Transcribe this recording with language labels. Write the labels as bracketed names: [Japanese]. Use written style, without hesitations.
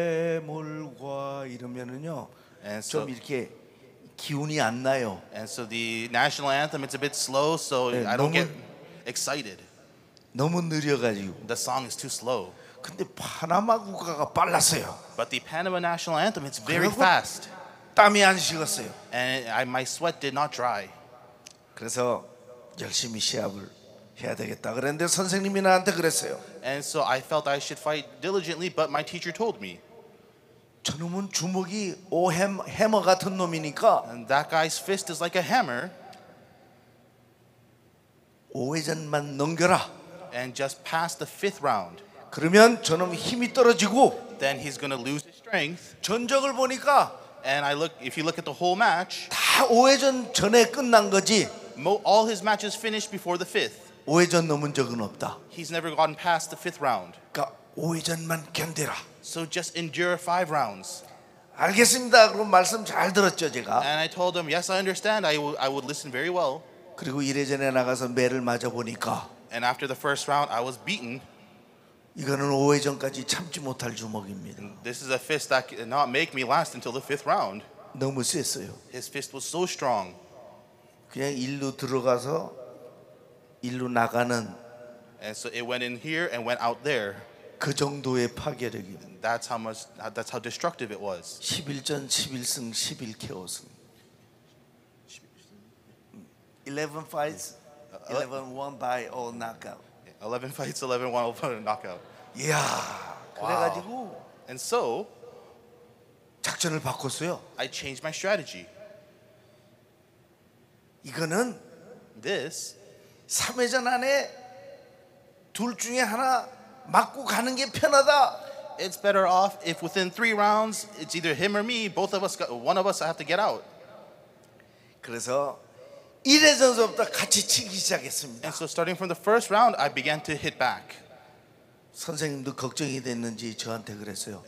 [Korean] 동해물과 이러면은요, and so, 좀 이렇게 기운이 안 나요. [English] And so the national anthem, it's a bit slow, so 네, I don't 너무, get excited. [Korean] 너무 느려가지고. [English] The song is too slow. [Korean] 근데 파나마 국가가 빨랐어요. [English] But the Panama national anthem, it's very fast. [Korean] 땀이 안 식었어요. [English] And my sweat did not dry. [Korean] 그래서 열심히 시합을 해야 되겠다. 그런데 선생님이 나한테 그랬어요. [English] And so I felt I should fight diligently, but my teacher told me. [Korean] 저놈은 주먹이 해머 같은 놈이니까. [English] And that guy's fist is like a hammer. [Korean] 5회전만 넘겨라. [English] And just pass the fifth round. [Korean] 그러면 저놈 힘이 떨어지고. [English] Then he's going to lose his strength. [Korean] 전적을 보니까. [English] And if you look at the whole match. [Korean] 다 5회전 전에 끝난 거지. [English] All his matches finished before the fifth. [Korean] 5회전 넘은 적은 없다. [English] He's never gotten past the fifth round. [Korean] 그러니까 5회전만 견디라. [English] So just endure 5 rounds. [Korean] 알겠습니다. 그럼 말씀 잘 들었죠, 제가. [English] And I told him, yes, I understand. I would listen very well. [Korean] 그리고 1회전에 나가서 매를 맞아 보니까. [English] And after the first round, I was beaten. [Korean] 이거는 5회전까지 참지 못할 주먹입니다. [English] This is a fist that cannot make me last until the fifth round. [Korean] 너무 세어요. [English] His fist was so strong. [Korean] 그냥 일로 들어가서 일로 나가는 [English] And so it went in here and went out there. [Korean] 그 정도의 파괴력입니다. [English] That's how destructive it was. [Korean] 11전 11승 11KO승. [English] 11 fights, 11 won by all knockout. 11 fights, 11 won all knockout. [Korean] Yeah. 그래가지고 [English] And so [Korean] 작전을 바꿨어요. [English] I changed my strategy. [Korean] 이거는 [English] this [Korean] 3회전 안에 둘 중에 하나 맞고 가는 게 편하다. [English] It's better off if within 3 rounds it's either him or me, both of us got one of us I have to get out. [Korean] 그래서 1회전서부터 같이 치기 시작했습니다. [English] And so starting from the first round I began to hit back. [Korean] 선생님도 걱정이 됐는지 저한테 그랬어요.